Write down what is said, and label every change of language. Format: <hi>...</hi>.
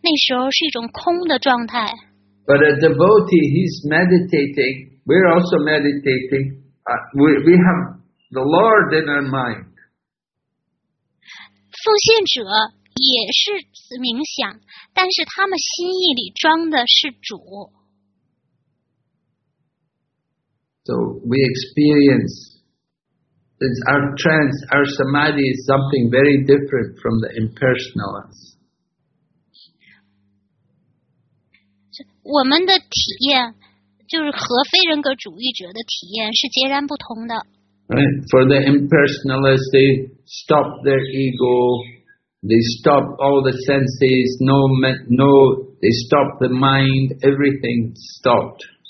<zh>他们的samadhi就是停止心意的活动，就是他们的心意那时候是一种空的状态。</zh> <en>But a devotee, he's meditating, we're also meditating, we have the Lord in our mind.</en> <zh>奉献者也是冥想，但是他们心意里装的是主。</zh> <en>So we experience, it's our trance, our samadhi is something very different from the impersonal ones.</en> <zh>我们的体验就是和非人格主义者的体验是截然不同的。</zh> <en>Right, for the impersonalists, they stop their ego, they stop all the senses, they stop the mind, everything stopped.</en>